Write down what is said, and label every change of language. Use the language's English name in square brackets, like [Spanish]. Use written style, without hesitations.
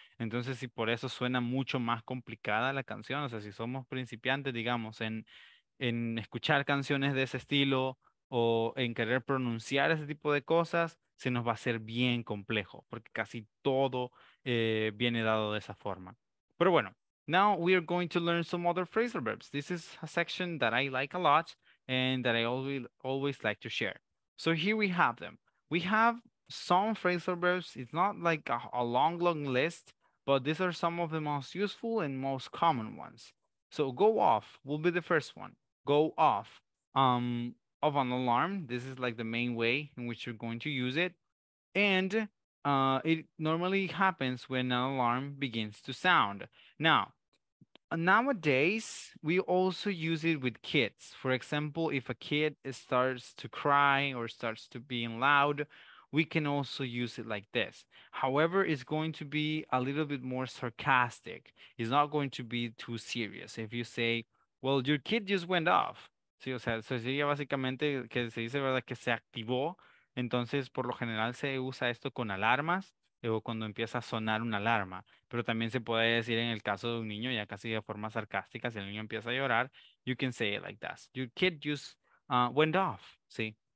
[Spanish] Entonces, si por eso suena mucho más complicada la canción, o sea, si somos principiantes, digamos, en escuchar canciones de ese estilo o en querer pronunciar ese tipo de cosas, se nos va a hacer bien complejo, porque casi todo viene dado de esa forma. Pero bueno, [English] now we are going to learn some other phrasal verbs. This is a section that I like a lot and that I always like to share. So here we have them. We have some phrasal verbs. It's not like a long, long list, but these are some of the most useful and most common ones. So go off will be the first one. Go off of an alarm. This is like the main way in which you're going to use it. And it normally happens when an alarm begins to sound. Now, nowadays, we also use it with kids. For example, if a kid starts to cry or starts to be loud, we can also use it like this. However, it's going to be a little bit more sarcastic. It's not going to be too serious. If you say, well, your kid just went off. [Spanish] Sí, o sea, eso sería básicamente que se dice, ¿verdad?, que se activó. Entonces, por lo general se usa esto con alarmas o cuando empieza a sonar una alarma. Pero también se puede decir en el caso de un niño, ya casi de forma sarcástica, si el niño empieza a llorar, [English] you can say it like that. Your kid just went off, ¿sí?